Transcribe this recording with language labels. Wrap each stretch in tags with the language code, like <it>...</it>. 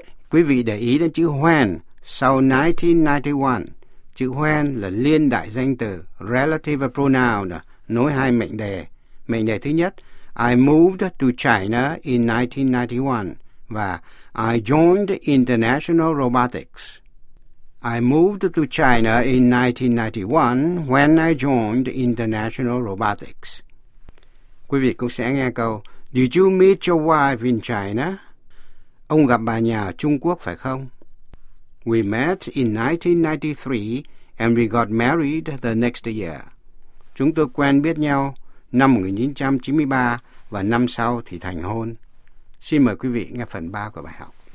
<vi>Quý vị để ý đến chữ when sau 1991. Chữ when là liên đại danh từ,</vi> <en>relative pronoun,</en> <vi>nối hai mệnh đề. Mệnh đề thứ nhất,</vi> <en>I moved to China in 1991,</en> <vi>và</vi> <en>I joined International Robotics. I moved to China in 1991 when I joined International Robotics.</en> <vi>Quý vị cũng sẽ nghe câu</vi> <en>Did you meet your wife in China?</en> <vi>Ông gặp bà nhà ở Trung Quốc phải không?</vi> <en>We met in 1993 and we got married the next year.</en> <vi>Chúng tôi quen biết nhau năm 1993 và năm sau thì thành hôn. Xin mời quý vị nghe phần 3 của bài học.</vi>